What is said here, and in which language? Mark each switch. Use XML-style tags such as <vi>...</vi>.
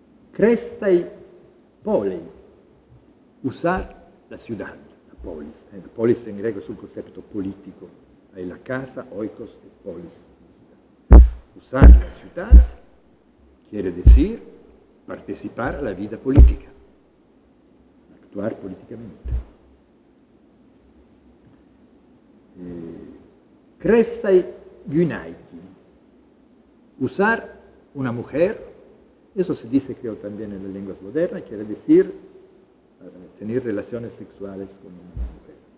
<es>Crestai polei, usar la ciudad, la polis.</es> <it>La polis in greco è un concetto politico, hai la casa, oikos e polis.</it> <es>Usar la ciudad quiere decir participar a la vida política, actuar políticamente. Crestai gynaiki, usar una mujer, eso se dice creo también en las lenguas modernas, quiere decir tener relaciones sexuales con una mujer.</es>